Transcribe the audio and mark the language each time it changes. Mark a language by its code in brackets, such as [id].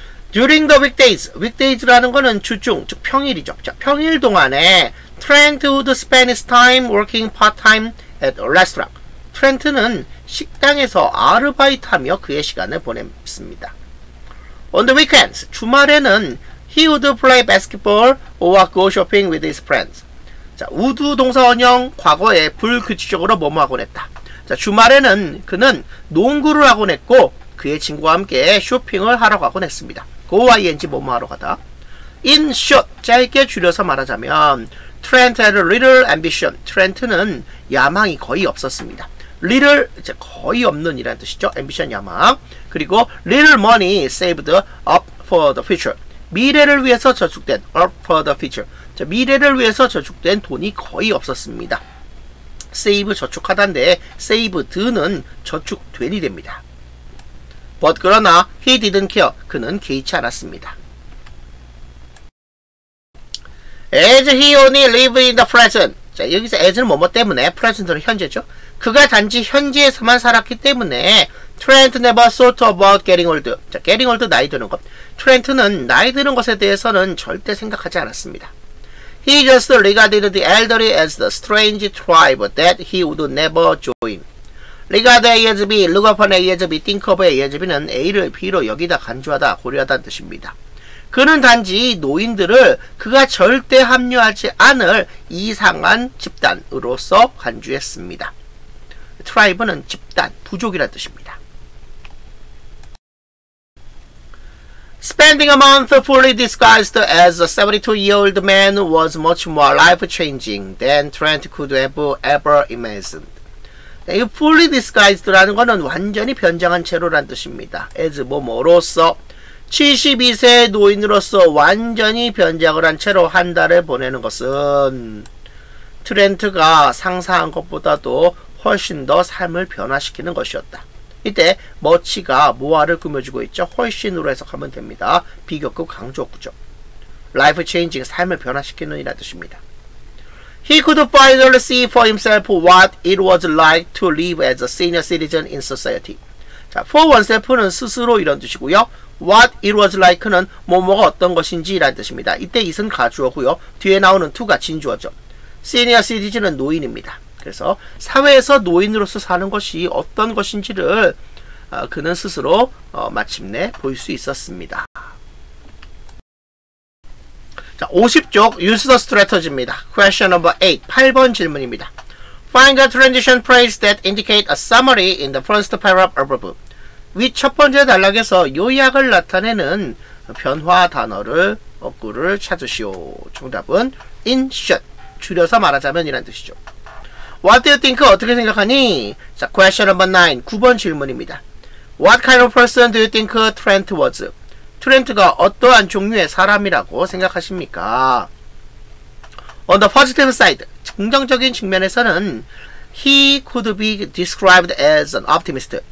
[ko] During the weekdays, weekdays라는 거는 주중, 즉 평일이죠. 자, 평일 동안에 [en] Trent would spend his time working part-time at a restaurant. Trent는 [ko] 식당에서 아르바이트하며 그의 시간을 보냅니다. [en] On the weekends, [ko] 주말에는 [en] he would play basketball or go shopping with his friends. [ko] 자, 우드 동사원형 과거에 불규칙적으로 뭐뭐 하곤 했다. 자, 주말에는 그는 농구를 하곤 했고 그의 친구와 함께 쇼핑을 하러 가곤 했습니다. [en] go ing [ko] 뭐뭐 하러 가다. [en] In short, [ko] 짧게 줄여서 말하자면 [en] Trent had a little ambition. [ko] Trent는 야망이 거의 없었습니다. Little, 이제 거의 없는 이라는 뜻이죠. Ambition, 야망. 그리고 [en] little money saved up for the future. [ko] 미래를 위해서 저축된 [en] up for the future. [ko] 자, 미래를 위해서 저축된 돈이 거의 없었습니다. Save, 저축하단데 saved는 저축된이 됩니다. [en] But [ko] 그러나 [en] he didn't care. [ko] 그는 개의치 않았습니다. [en] As he only lived in the present. [ko] 자, 여기서 as는 뭐뭐 때문에, present는 현재죠. 그가 단지 현재에서만 살았기 때문에 [en] Trent never thought about getting old. [ko] 자, getting old, 나이 드는 것. Trent는 나이 드는 것에 대해서는 절대 생각하지 않았습니다. [en] He just regarded the elderly as the strange tribe that he would never join. [ko] Regard as B, look upon as B, think of as B는 A를 B로 여기다 간주하다, 고려하다는 뜻입니다. 그는 단지 노인들을 그가 절대 합류하지 않을 이상한 집단으로서 간주했습니다. Tribe는 집단, 부족이라는 뜻입니다. [en] Spending a month fully disguised as a 72-year-old man was much more life-changing than Trent could have ever imagined. [ko] 네, 이 fully disguised라는 것은 완전히 변장한 채로라는 뜻입니다. As 뭐뭐로서 72세 노인으로서 완전히 변장을 한 채로 한 달을 보내는 것은 트렌트가 상상한 것보다도 훨씬 더 삶을 변화시키는 것이었다. 이때 머치가 모아를 꾸며주고 있죠. 훨씬으로 해석하면 됩니다. 비교급 강조구죠. Life changing, 삶을 변화시키는 이라 뜻입니다. [en] He could finally see for himself what it was like to live as a senior citizen in society. [ko] 자, for oneself는 스스로 이런 뜻이고요. What it was like는 뭐뭐가 어떤 것인지 라는 뜻입니다. 이때 is은 가주어고요. 뒤에 나오는 to가 진주어죠. Senior citizen은 노인입니다. 그래서 사회에서 노인으로서 사는 것이 어떤 것인지를 그는 스스로 마침내 볼 수 있었습니다. 자, 50쪽 [en] use the strategy [ko] 입니다. [en] Question number 8, [ko] 8번 질문입니다. [en] Find a transition phrase that indicate a summary in the first paragraph above. [ko] 위 첫 번째 단락에서 요약을 나타내는 변화 단어를 어구를 찾으시오. 정답은 in short, 줄여서 말하자면 이란 뜻이죠. [en] What do you think? [ko] 어떻게 생각하니? 자, [en] question number 9, [ko] 9번 질문입니다. [en] What kind of person do you think Trent was? [ko] 트렌트가 어떠한 종류의 사람이라고 생각하십니까? [en] On the positive side, [ko] 긍정적인 측면에서는 [en] he could be described as an optimist.